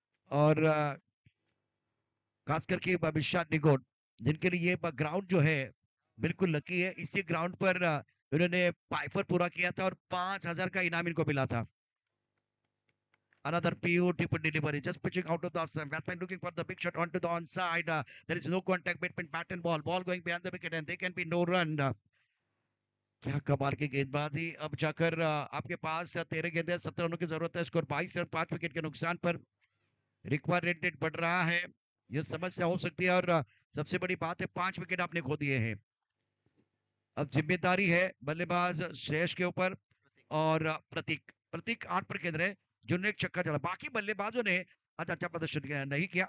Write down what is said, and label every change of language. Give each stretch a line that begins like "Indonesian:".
Hindi: और खास करके विशाल निगोड, जिनके लिए ग्राउंड जो है बिल्कुल लकी है, इसी ग्राउंड पर इन्होंने पाइपर पूरा किया था और 5000 का इनाम इनको मिला था।
English: Another PU deep delivery, just pitching out of the off stump. Batsman looking for the big shot onto the on side. There is no contact between bat and ball. Ball going behind the wicket and there can be no run.
Hindi: क्या कमाल की गेंदबाजी! अब जाकर आपके पास 13 गेंदे, 17 रनों की जरूरत है। स्कोर 22 रन 5 विकेट के नुकसान पर। रिक्वायर्ड रेट बढ़ रहा है, यह समस्या हो सकती है, और सबसे बड़ी बात है 5 विकेट आपने खो दिए हैं। अब जिम्मेदारी है बल्लेबाज श्रेष्ठ के ऊपर और प्रतीक, प्रतीक 8 पर केंद्र है, जिन्होंने एक छक्का जड़ा, बाकी बल्लेबाजों ने अच्छा प्रदर्शन नहीं किया।